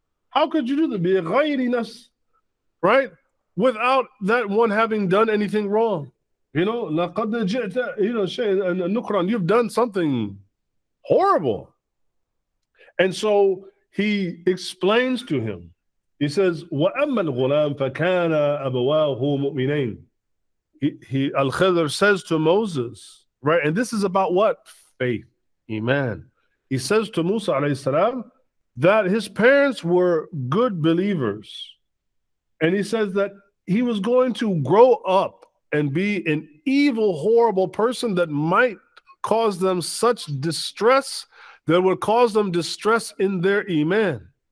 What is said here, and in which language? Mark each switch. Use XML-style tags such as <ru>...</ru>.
<en>How could you do that?</en> <ar>بِغَيْرِ نَفْس.</ar> <en>Right? Without that one having done anything wrong. You know,</en> <ar>لَقَدْ جِئْتَ,</ar> <en>you know,</en> <ar>شَيْءٍ نُكْرًا.</ar> <en>You've done something horrible. And so he explains to him. He says,</en> <ar>وَأَمَّا الْغُلَامُ فَكَانَ أَبَوَاهُ مُؤْمِنَيْنِ.</ar> <en>He Al-Khidr says to Moses, right? And this is about what? Faith, iman. He says to Musa alayhi salam that his parents were good believers. And he says that he was going to grow up and be an evil, horrible person that might cause them such distress, that would cause them distress in their iman.</en>